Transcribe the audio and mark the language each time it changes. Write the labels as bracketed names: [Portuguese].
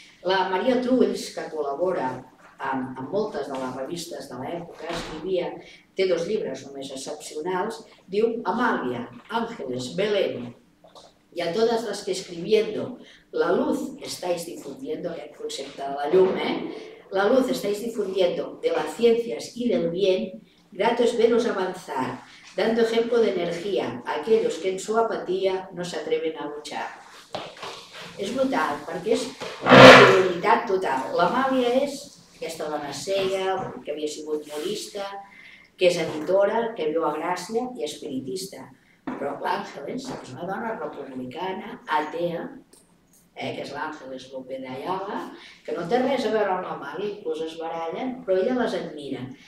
[Catalan] La Maria Trulls, que col·labora amb moltes de les revistes de l'època, escrivia, té dos llibres només excepcionals, diu [Spanish] Amalia, Ángeles, Belén, y a todas las que escribiendo la luz estáis difundiendo, [Catalan] aquest concepte de la llum, eh? [Spanish] La luz estáis difundiendo de las ciencias y del bien, grato es veros avanzar, dando ejemplo de energía a aquellos que en su apatía no se atreven a luchar. [Catalan] És brutal, perquè és una realitat total. L'Amàlia és aquesta dona cega, que havia sigut modista, que és editora, que viu a Gràcia i espiritista. Però l'Àngeles és una dona republicana, atea, que és l'Àngeles López de Ayala, que no té res a veure amb l'Amàlia, inclús es barallen, però ella les admira.